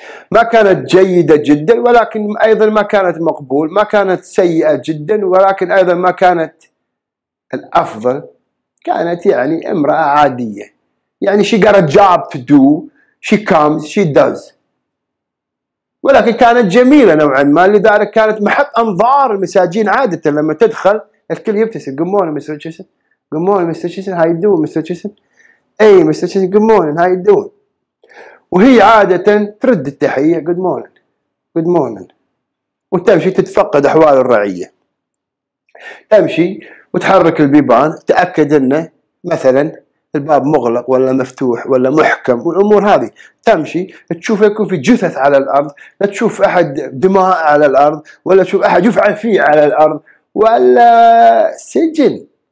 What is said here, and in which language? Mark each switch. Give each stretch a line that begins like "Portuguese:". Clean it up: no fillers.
Arabic: ما كانت جيدة جدا ولكن أيضا ما كانت مقبول، ما كانت سيئة جدا ولكن أيضا ما كانت الأفضل، كانت يعني امرأة عادية. يعني
English: she got a job to do, she comes, she does،
Arabic: ولكن كانت جميلة نوعا ما، لذلك كانت محط أنظار المساجين. عادة لما تدخل الكل يبتسم،
English: good morning Mr. Chisholm، good morning Mr. Chisholm، how you doing Mr. Chisholm، hey Mr.
Arabic: Chisholm،
English: good morning، how you doing،
Arabic: وهي عادة ترد التحية
English: good morning، good morning،
Arabic: وتمشي تتفقد أحوال الرعية. تمشي وتحرك البيبان تأكد أنه مثلا الباب مغلق ولا مفتوح ولا محكم والأمور هذه. تمشي تشوف يكون في جثث على الأرض، لا تشوف أحد دماء على الأرض ولا تشوف أحد يفعل فيه على الأرض، ولا سجن.